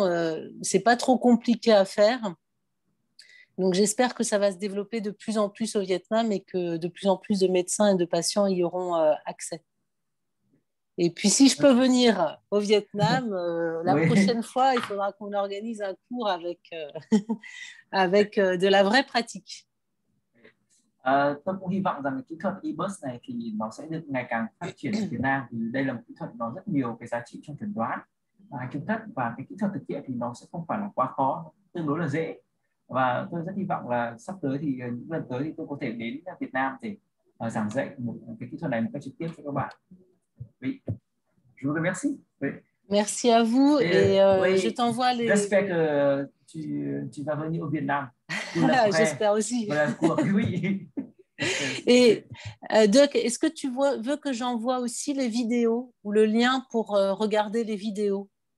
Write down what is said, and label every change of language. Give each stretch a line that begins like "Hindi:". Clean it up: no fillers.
French: Ce n'est pas trop compliqué à faire. Donc, j'espère que ça va se développer de plus en plus au Vietnam et que de plus en plus de médecins et de patients y auront accès. Et puis, si je peux venir au Vietnam, prochaine fois, il faudra qu'on organise un cours avec, avec de la vraie pratique.
Vietnamese: Tôi cũng hy vọng rằng kỹ thuật eBus này thì nó sẽ được ngày càng phát triển ở Việt Nam. Vì đây là một kỹ thuật nó rất nhiều cái giá trị trong chẩn đoán. Và cái kỹ thuật thực hiện thì nó sẽ không phải là quá khó, tương đối là dễ. Và tôi rất hy vọng là sắp tới thì những lần tới thì tôi có thể đến Việt Nam để giảng dạy một cái kỹ thuật này một cách trực tiếp cho các bạn.
French: Oui. Je vous remercie. Oui. Merci à vous et oui, je t'envoie les... J'espère que tu vas venir au Vietnam. J'espère aussi. Oui. Et Doc, est-ce que tu veux que j'envoie aussi les vidéos ou le lien pour regarder les vidéos?